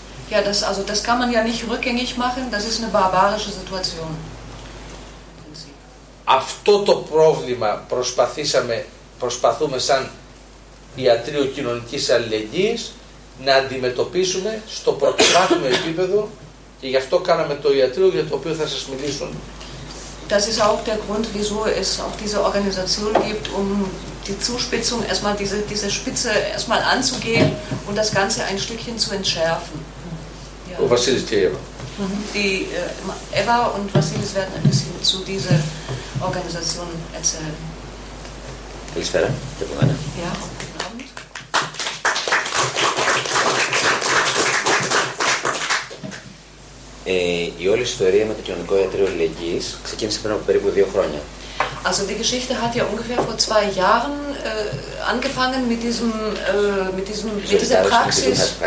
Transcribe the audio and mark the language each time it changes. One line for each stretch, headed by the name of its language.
German: Ja, das kann man ja nicht rückgängig machen, das ist eine barbarische Situation.
Greek: Αυτό το πρόβλημα προσπαθούμε σαν ιατρείο κοινωνικής αλληλεγγύης να αντιμετωπίσουμε στο πρωτοβάθμιο επίπεδο Και γι' αυτό κάναμε το ιατρείο για το οποίο θα σας μιλήσω.
German: Das ist auch der Grund, wieso es auch diese Organisation gibt, um die Zuspitzung erstmal diese Spitze erstmal anzugehen und das Ganze ein Stückchen zu entschärfen. Ja. Und Vasilis die Eva? Die Eva und Vasilis werden ein bisschen zu dieser Organisation erzählen. Ich werde. Ja, guten Abend.
Greek: Η όλη ιστορία με το κοινωνικό ιατρείο αλληλεγγύης ξεκίνησε πριν από περίπου δύο χρόνια.
German: Also die Geschichte hat ja ungefähr vor zwei Jahren angefangen mit diesem mit diesem mit dieser Praxis.